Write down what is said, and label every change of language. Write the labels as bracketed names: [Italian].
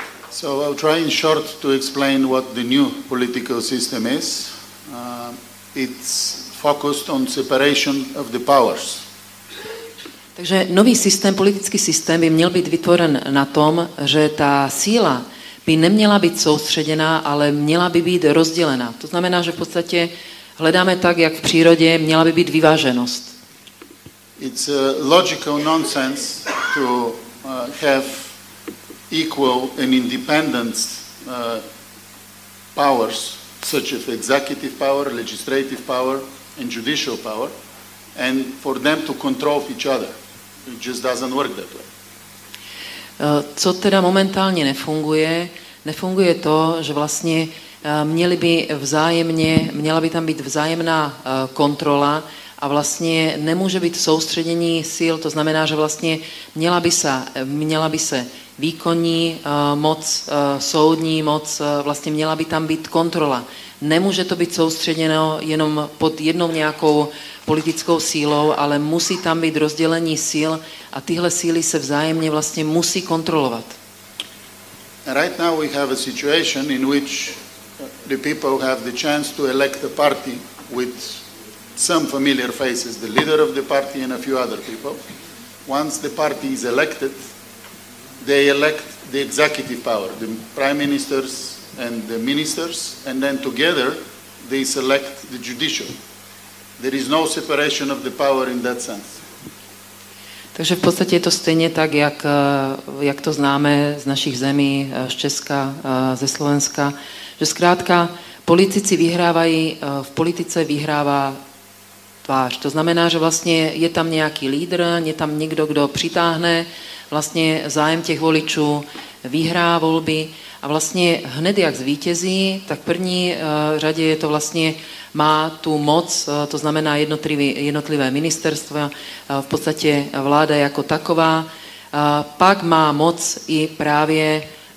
[English] So I'll try in short to explain what the new political system is. It's focused on separation of the powers. [Czech] Takže nový systém, politický systém by měl být vytvořen na tom, že ta síla by neměla být soustředěná, ale měla by být rozdělená. To znamená, že v podstatě hledáme tak, jak v přírodě, měla by být vyváženost. [English] It's a logical nonsense to have equal and independent powers, such as executive power, legislative power, and judicial power, and for them to control each other. It just doesn't work that way. [Czech] Co teda momentálně nefunguje? Nefunguje to, že vlastně měla by tam být vzájemná kontrola a vlastně nemůže být soustředění sil, to znamená, že vlastně měla by se výkonní moc, soudní moc, vlastně měla by tam být kontrola. Nemůže to být soustředěno jenom pod jednou nějakou politickou sílou, ale musí tam být rozdělení sil a tyhle síly se vzájemně vlastně musí kontrolovat. [English] Right now we have a situation in which the people have the chance to elect a party with some familiar faces, the leader of the party and a few other people. Once the party is elected, they elect the executive power, the prime ministers and the ministers, and then together they select the judicial. There is no separation of the power in that sense. [Czech] Takže v podstatě je to stejně tak, jak to známe z našich zemí, z Česka, ze Slovenska, že zkrátka politici vyhrávají, v politice vyhrává tvář. To znamená, že vlastně je tam nějaký lídr, je tam někdo, kdo přitáhne vlastně zájem těch voličů, vyhrá volby a vlastně hned jak zvítězí, tak v první řadě je to vlastně má tu moc, to znamená jednotlivé ministerstva, v podstatě vláda jako taková, pak má moc i právě